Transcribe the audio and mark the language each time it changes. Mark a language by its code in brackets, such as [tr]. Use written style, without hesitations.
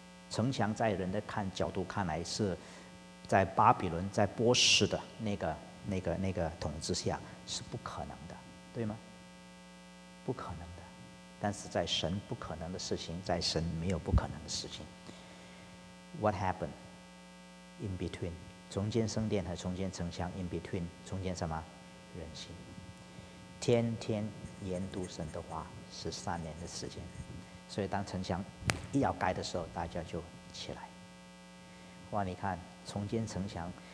[zh] 城墙在人的角度看来是在巴比伦、在波斯的那个统治下是不可能的，对吗？不可能。但是在神不可能的事情，在神没有不可能的事情。 [en] What happened in between？ [zh] 重建圣殿和重建城墙 [en] in between [zh] 重建什么？人心。天天研读神的话，13年的时间。所以当城墙一要盖的时候，大家就起来。哇，你看重建城墙，